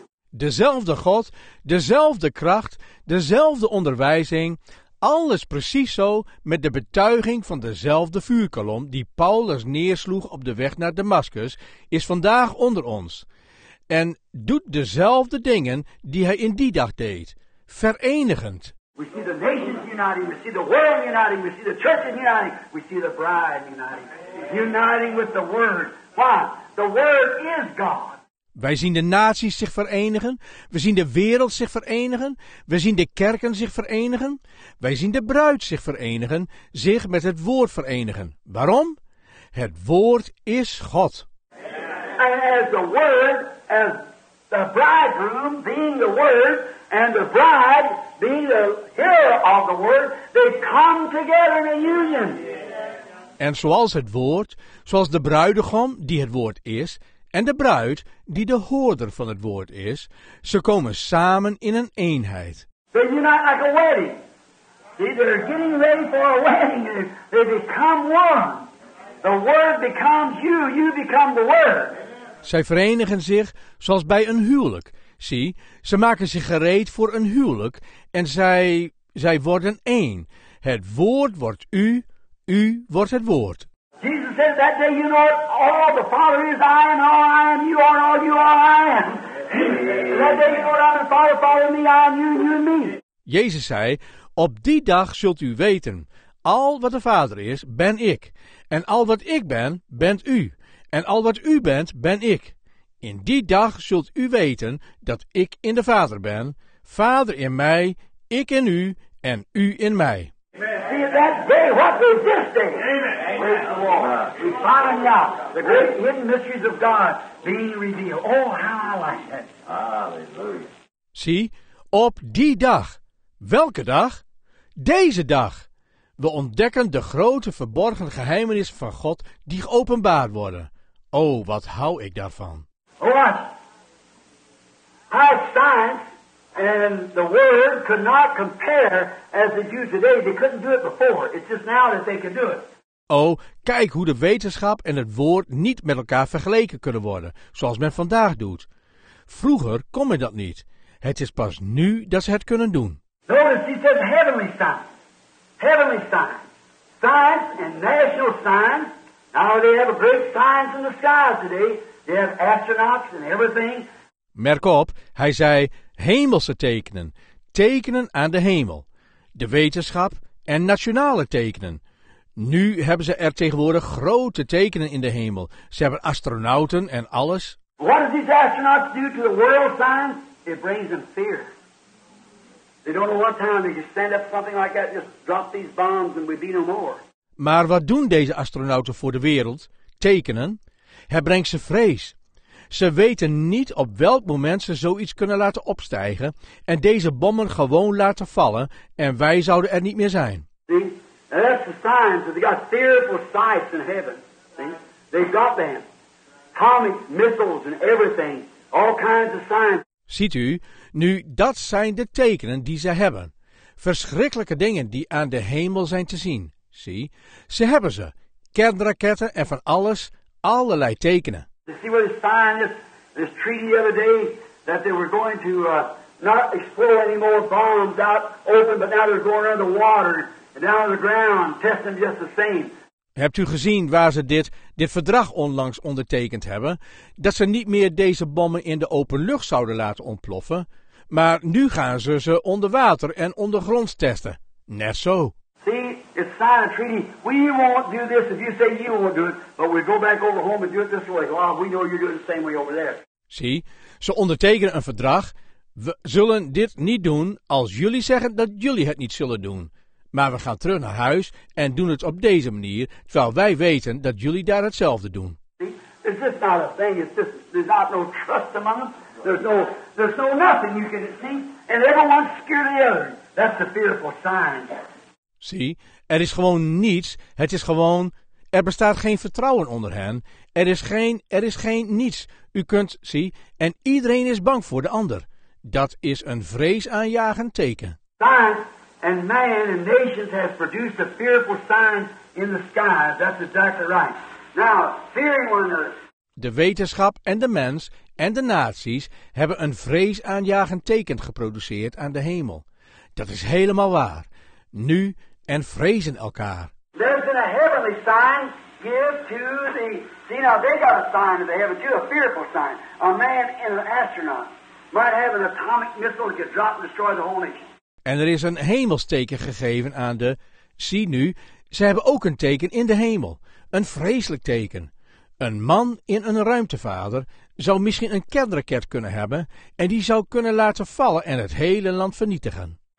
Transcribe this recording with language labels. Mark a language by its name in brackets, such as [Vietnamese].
[Dutch] Dezelfde God, dezelfde kracht, dezelfde onderwijzing, alles precies zo met de betuiging van dezelfde vuurkolom die Paulus neersloeg op de weg naar Damascus, is vandaag onder ons. En doet dezelfde dingen die hij in die dag deed, verenigend. [English] We see the nations uniting, we see the world uniting, we see the church uniting, we see the bride uniting. Uniting with the word. Why? The word is God. [Dutch] Wij zien de naties zich verenigen, we zien de wereld zich verenigen, we zien de kerken zich verenigen, wij zien de bruid zich verenigen, zich met het woord verenigen. Waarom? Het woord is God. [English] And as the word, as the bridegroom being the word, and the bride being the hearer of the word, they come together in a union. [Dutch] En zoals het woord, zoals de bruidegom die het woord is, en de bruid, die de hoorder van het woord is, ze komen samen in een eenheid. [English] They unite like a wedding. See, they're getting ready for a wedding. They become one. The word becomes you. You become the word. [Dutch] Zij verenigen zich zoals bij een huwelijk. Zie, ze maken zich gereed voor een huwelijk en zij worden één. Het woord wordt u, u wordt het woord. [English] Jesus said that day, you know it, all the Father is, I am all I am, you are all you are, I am. That day you go down to the Father, Father me, I am you, you and me. [Dutch] Jezus zei, op die dag zult u weten, al wat de Vader is, ben ik. En al wat ik ben, bent u. En al wat u bent, ben ik. In die dag zult u weten dat ik in de Vader ben, Vader in mij, ik in u en u in mij. [English] See, that day, what is this day? Amen. Praise the Lord. We find out the great hidden mysteries of God being revealed. Oh, how I like that. Hallelujah. See, [Dutch] op die dag. Welke dag? Deze dag. We ontdekken de grote verborgen geheimenissen van God die geopenbaard worden. Oh, wat hou ik daarvan. [English] What? How science and the word could not compare as they do today. They couldn't do it before. It's just now that they can do it. [Dutch] Oh, kijk hoe de wetenschap en het woord niet met elkaar vergeleken kunnen worden, zoals men vandaag doet. Vroeger kon men dat niet. Het is pas nu dat ze het kunnen doen. [English] Notice he says heavenly sign. Heavenly sign. Science and national sign. Now they have a great science in the skies today. They have astronauts and everything. [Dutch] Merk op, hij zei hemelse tekenen. Tekenen aan de hemel. De wetenschap en nationale tekenen. Nu hebben ze er tegenwoordig grote tekenen in de hemel. Ze hebben astronauten en alles. [English] What do these astronauts do to the world signs? It brings them fear. They don't know what time they just stand up something like that, just drop these bombs and we'd be no more. [Dutch] Maar wat doen deze astronauten voor de wereld? Tekenen? Het brengt ze vrees. Ze weten niet op welk moment ze zoiets kunnen laten opstijgen en deze bommen gewoon laten vallen en wij zouden er niet meer zijn. [English] See, that's the signs. They got fearful sights in heaven. See? They've got them. Atomic missiles and everything. All kinds of signs. [Dutch] Ziet u, nu dat zijn de tekenen die ze hebben. Verschrikkelijke dingen die aan de hemel zijn te zien. Zie, ze hebben ze. Kernraketten en van alles, allerlei tekenen. [English] You see what they signed this treaty the other day that they were going to not explore any more bombs out open, but now they're going under the water and down to the ground, testing just the same. [Dutch] Hebt u gezien waar ze dit verdrag onlangs ondertekend hebben? Dat ze niet meer deze bommen in de open lucht zouden laten ontploffen, maar nu gaan ze onder water en ondergronds testen. Net zo. [English] See, it's signed a treaty. We won't do this if you say you won't do it, but we'll go back over home and do it this way. Well, we know you're doing it the same way over there. See, [Dutch] ze ondertekenen een verdrag. We zullen dit niet doen als jullie zeggen dat jullie het niet zullen doen. Maar we gaan terug naar huis en doen het op deze manier, terwijl wij weten dat jullie daar hetzelfde doen. [English] See, it's just not a thing. It's just, there's not no trust among them. There's no nothing you can see. And everyone's scared of the other. That's the fearful sign. [Dutch] Zie, er is gewoon niets. Het is gewoon, er bestaat geen vertrouwen onder hen. Er is geen niets. U kunt, zie, en iedereen is bang voor de ander. Dat is een vreesaanjagend teken. [English] Science and man and nations have produced a fearful sign in the sky. That's exactly right. Now, fearing one another. [Dutch] De wetenschap en de mens en de naties hebben een vreesaanjagend teken geproduceerd aan de hemel. Dat is helemaal waar. Nu en vrezen elkaar. [English] There's been a heavenly sign give to the. See, now they got a sign of the heaven too, a fearful sign. A man in an astronaut might have an atomic missile that could drop and destroy the whole nation. [Dutch] En er is een hemelsteken gegeven aan de. Zie nu, ze hebben ook een teken in de hemel. Een vreselijk teken. Een man in een ruimtevaarder zou misschien een kernraket kunnen hebben en die zou kunnen laten vallen en het hele land vernietigen.